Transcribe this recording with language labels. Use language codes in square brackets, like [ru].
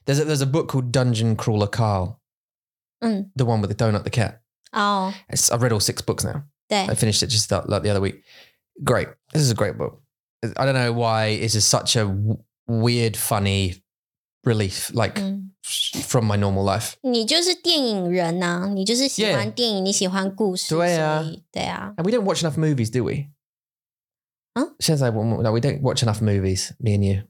[en] There's a book called Dungeon Crawler Carl. The one with the donut, the cat. Oh. I've read all six books now. [zh] 对. [en] I finished it just the other week. Great. This is a great book. I don't know why this is such a weird, funny relief, like from my normal life. [zh] 你就是电影人啊, 你就是喜欢电影, 你喜欢故事, 对啊, 对啊. [en] And we don't watch enough movies, do we? Huh? Like, no, we don't watch enough movies, me and you.